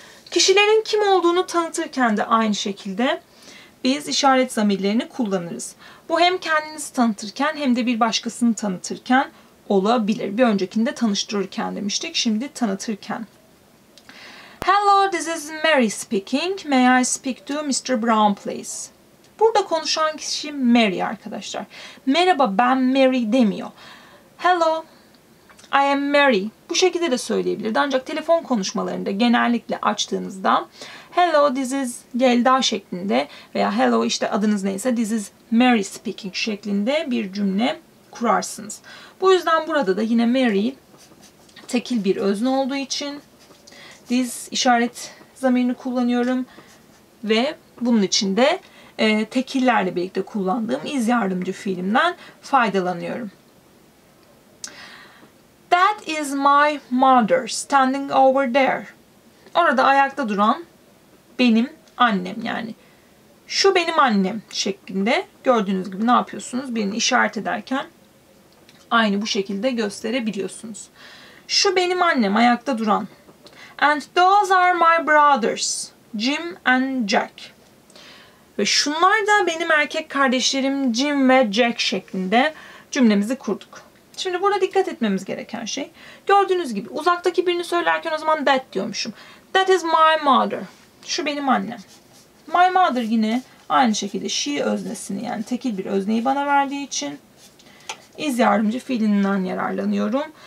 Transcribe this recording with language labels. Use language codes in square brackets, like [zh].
[tr] Kişilerin kim olduğunu tanıtırken de aynı şekilde biz işaret zamirlerini kullanırız. Bu hem kendinizi tanıtırken hem de bir başkasını tanıtırken olabilir. Bir öncekinde tanıştırırken demiştik, şimdi tanıtırken. [en] Hello, this is Mary speaking. May I speak to Mr. Brown, please? [tr] Burada konuşan kişi Mary arkadaşlar. Merhaba, ben Mary demiyor. [en] Hello, I am Mary. [tr] Bu şekilde de söyleyebilirdi. Ancak telefon konuşmalarında genellikle açtığınızda [en] Hello, this is Gelda [tr] şeklinde veya Hello, işte adınız neyse, [en] this is Mary speaking [tr] şeklinde bir cümle kurarsınız. Bu yüzden burada da yine Mary tekil bir özne olduğu için this işaret zamirini kullanıyorum ve bunun için de tekillerle birlikte kullandığım is yardımcı fiilimden faydalanıyorum. [en] That is my mother standing over there. [tr] Orada ayakta duran benim annem yani. Şu benim annem şeklinde gördüğünüz gibi ne yapıyorsunuz? Birini işaret ederken aynı bu şekilde gösterebiliyorsunuz. Şu benim annem ayakta duran. [en] And those are my brothers, Jim and Jack. [tr] Ve şunlar da benim erkek kardeşlerim Jim ve Jack şeklinde cümlemizi kurduk. Şimdi burada dikkat etmemiz gereken şey, gördüğünüz gibi uzaktaki birini söylerken o zaman that diyormuşum. [en] That is my mother. [tr] Şu benim annem. My mother yine aynı şekilde she öznesini, yani tekil bir özneyi bana verdiği için is yardımcı fiilinden yararlanıyorum.